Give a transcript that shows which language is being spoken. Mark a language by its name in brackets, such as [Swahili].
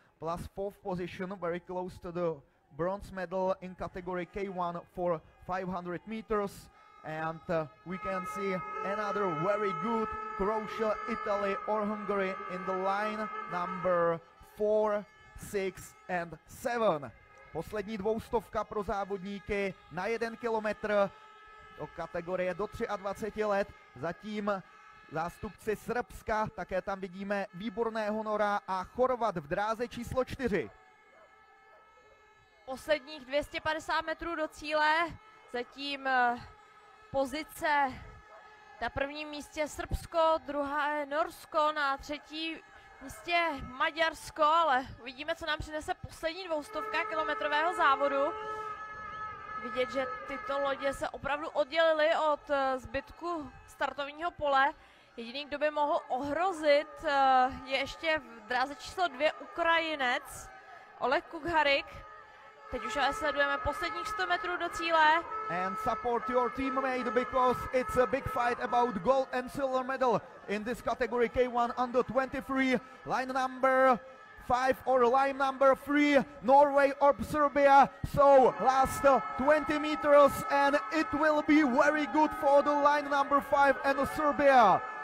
[English] Plus fourth position, very close to the bronze medal in category K1 for 500 meters. And we can see another very good Croatia, Italy or Hungary in the line number 4, 6 and 7. [Czech] Poslední dvoustovka pro závodníky na 1 kilometr do kategorie do 23 let. Zatím zástupci Srbska, také tam vidíme výborného Nora a Chorvat v dráze číslo 4. Posledních 250 metrů do cíle, zatím pozice na prvním místě Srbsko, druhá je Norsko, na třetí místě Maďarsko, ale uvidíme, co nám přinese poslední dvoustovka kilometrového závodu. Vidět, že tyto lodě se opravdu oddělily od zbytku startovního pole. Jediný, kdo by mohl ohrozit, je ještě v dráze číslo 2 Ukrajinec, Oleg Kugharik. Teď už ale sledujeme posledních 100 metrů do cíle. [English] And support your teammate, because it's a big fight about gold and silver medal in this category, K1 under 23. Line number 5 or line number 3, Norway or Serbia. So last 20 meters, and it will be very good for the line number 5 and Serbia.